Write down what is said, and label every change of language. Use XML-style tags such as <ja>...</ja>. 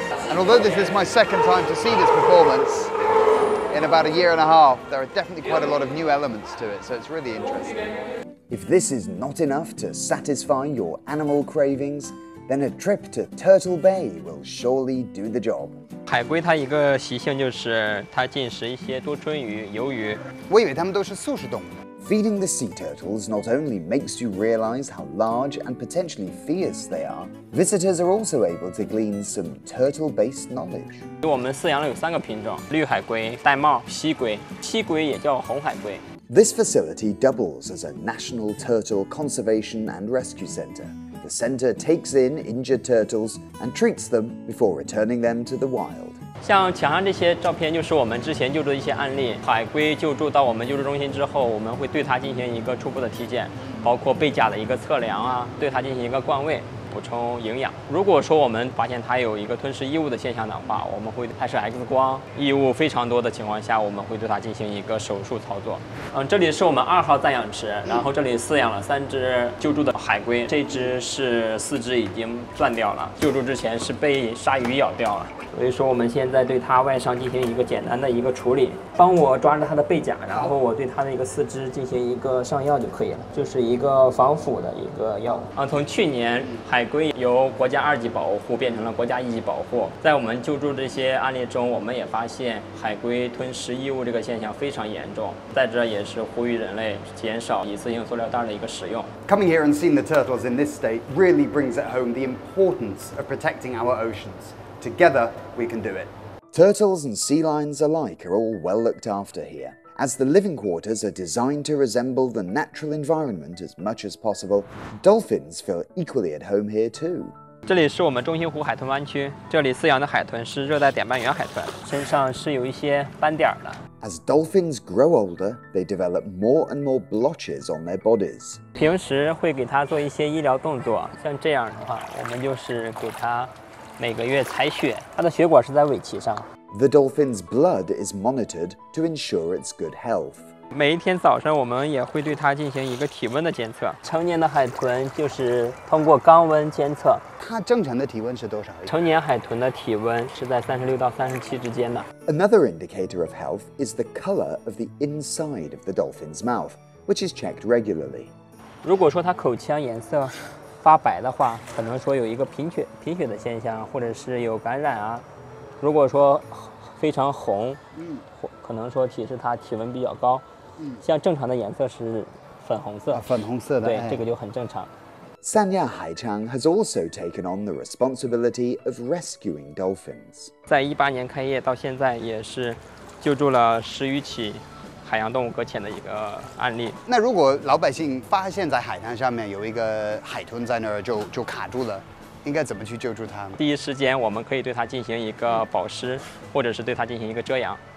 <en>And although this is my second time to see this performance,In about a year and a half, there are definitely quite a lot of new elements to it, so it's really interesting. If this is not enough to satisfy your animal cravings, then a trip to Turtle Bay will surely do the job.</en> <zh>海龟它一个习性就是它进食一些多春鱼、鱿鱼。我以为它们都是素食动物。</zh> <en>Feeding the sea turtles not only makes you realize how large and potentially fierce they are, visitors are also able to glean some turtle-based knowledge. We have three species: blue 海龟、玳瑁、西龟。</en> <zh>西龟也叫红海龟。</zh> <en>This facility doubles as a national turtle conservation and rescue center. The center takes in injured turtles and treats them before returning them to the wild.</en> <zh>像墙上这些照片就是我们之前救助的一些案例。海龟救助到我们救助中心之后，我们会对它进行一个初步的体检，包括背甲的一个测量啊，对它进行一个灌喂，补充营养。如果说我们发现它有一个吞噬异物的现象的话，我们会拍摄 X 光。异物非常多的情况下，我们会对它进行一个手术操作。嗯，这里是我们二号暂养池，然后这里饲养了三只救助的海龟，这只是四肢已经断掉了，救助之前是被鲨鱼咬掉了。所以说我们现在对它外伤进行一个简单的一个处理，帮我抓着它的背甲，然后我对它的一个四肢进行一个上药就可以了，就是一个防腐的一个药物。从去年海龟由国家二级保护变成了国家一级保护，在我们救助这些案例中，我们也发现海龟吞食异物这个现象非常严重，在这也是呼吁人类减少一次性塑料袋的一个使用。</zh> <en>Coming here and seeing the turtles in this state really brings at home the importance of protecting our oceans. Together, we can do it. Turtles and sea lions alike are all well looked after here. As the living quarters are designed to resemble the natural environment as much as possible, dolphins feel equally at home here too.</en> <zh>这里是我们中心湖海豚湾区，这里饲养的海豚是热带点斑原海豚，身上是有一些斑点的。</zh> <en>As dolphins grow older, they develop more and more blotches on their bodies.</en> <zh>平时会给它做一些医疗动作，像这样的话，我们就是给它每个月采血，它的血管是在尾鳍上。</zh> <en>The dolphin's blood is monitored to ensure its good health.</en> <zh>每一天早上我们也会对它进行一个体温的监测。成年的海豚就是通过肛温监测。它正常的体温是多少？成年海豚的体温是在36到37之间的。</zh> <en>Another indicator of health is the color of the inside of the dolphin's mouth, which is checked regularly.</en> <zh>如果说它口腔颜色发白的话，可能说有一个贫血的现象，或者是有感染啊。如果说非常红，可能说提示它体温比较高。像正常的颜色是粉红色，粉红色的，对，这个就很正常。</zh> <en>三亚海昌 has also taken on the responsibility of rescuing dolphins.</en> <zh>在2018年开业到现在，也是救助了10余起海洋动物搁浅的一个案例。那如果老百姓发现在海滩上面有一个海豚在那儿就卡住了，应该怎么去救助它？第一时间我们可以对它进行一个保湿，或者是对它进行一个遮阳。</zh>